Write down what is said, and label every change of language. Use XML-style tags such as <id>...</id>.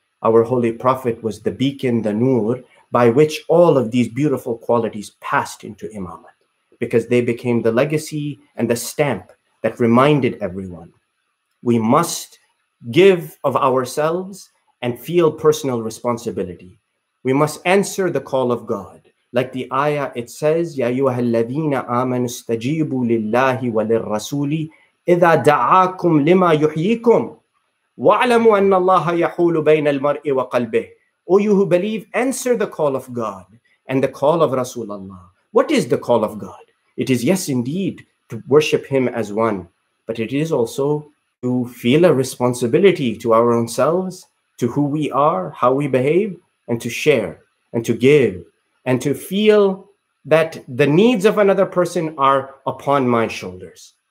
<en>Our Holy Prophet was the beacon, the nur, by which all of these beautiful qualities passed into Imamate, because they became the legacy and the stamp that reminded everyone, we must give of ourselves and feel personal responsibility. We must answer the call of God. Like the ayah, it says,</en> <ar>يَا أَيُّهَا الَّذِينَ آمَنُوا اسْتَجِيبُوا لِلَّهِ وَلِلرَّسُولِ إِذَا دَعَاكُمْ لِمَا يُحْيِيكُمْ وَعْلَمُوا أَنَّ اللَّهَ يَحُولُ بَيْنَ الْمَرْءِ وَقَلْبِهِ.</ar> <en>O you who believe, answer the call of God and the call of Rasulullah. What is the call of God? It is, yes, indeed, to worship Him as one, but it is also to feel a responsibility to our own selves, to who we are, how we behave, and to share and to give and to feel that the needs of another person are upon my shoulders.</en>